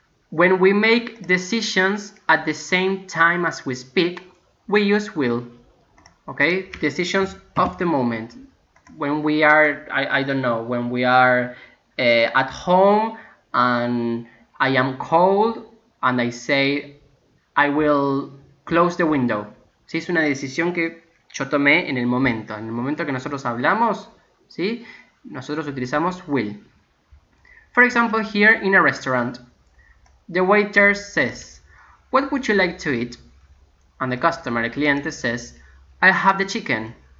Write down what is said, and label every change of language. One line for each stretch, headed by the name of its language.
English: When we make decisions at the same time as we speak, we use will. Okay, decisions of the moment. When we are, when we are at home and I am cold and I say, I will close the window.
Spanish: Sí, es una decisión que yo tomé en el momento. En el momento que nosotros hablamos, ¿sí? Nosotros utilizamos will.
English: For example, here in a restaurant, the waiter says, what would you like to eat? And the customer,
Spanish: el cliente,
English: says, I have the chicken.